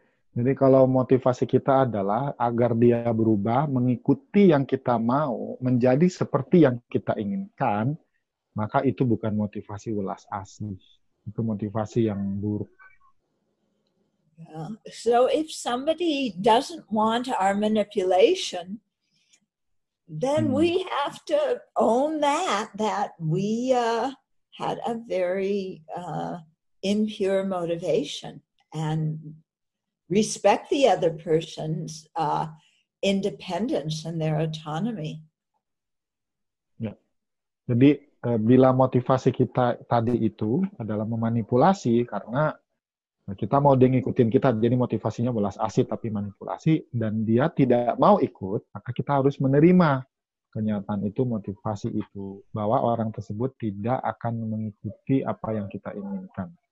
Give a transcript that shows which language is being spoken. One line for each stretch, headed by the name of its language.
Indonesian: Jadi kalau motivasi kita adalah agar dia berubah, mengikuti yang kita mau, menjadi seperti yang kita inginkan, maka itu bukan motivasi ulas asih. Itu motivasi yang buruk.
English: So if somebody doesn't want our manipulation, then we have to own that we had a very impure motivation, and respect the other person's independence and their autonomy. Yeah.
Indonesian: Jadi bila motivasi kita tadi itu adalah memanipulasi karena kita mau dia ngikutin kita, jadi motivasinya belas asih tapi manipulasi, dan dia tidak mau ikut, maka kita harus menerima kenyataan itu, motivasi itu, bahwa orang tersebut tidak akan mengikuti apa yang kita inginkan.